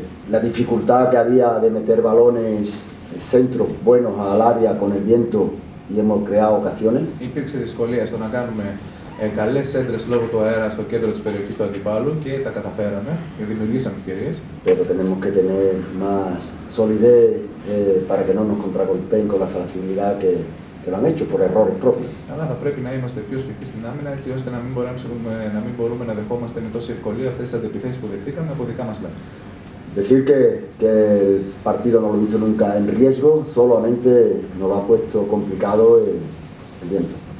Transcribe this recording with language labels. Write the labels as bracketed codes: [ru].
[es] La dificultad que había de meter balones centros buenos al área con el viento y hemos creado ocasiones. [el] Υπήρξε δυσκολία στο να κάνουμε καλές έντρες λόγω του αέρα στο κέντρο της περιοχής του αντιπάλου και τα καταφέραμε και δημιουργήσαμε ευκαιρίες. [es] Pero tenemos que tener más solidez para que no nos contragolpeen con la facilidad que lo han hecho por errores propios. [el] Αλλά θα πρέπει να είμαστε πιο σφιχτοί στην άμυνα έτσι ώστε να μην μπορούμε να δεχόμαστε με τόση ευκολία αυτές τις αντιπιθέσεις που δεχθήκαμε από δικά μας λάθη. [es] Decir que el partido no lo hizo nunca en riesgo, solamente nos lo ha puesto complicado el viento.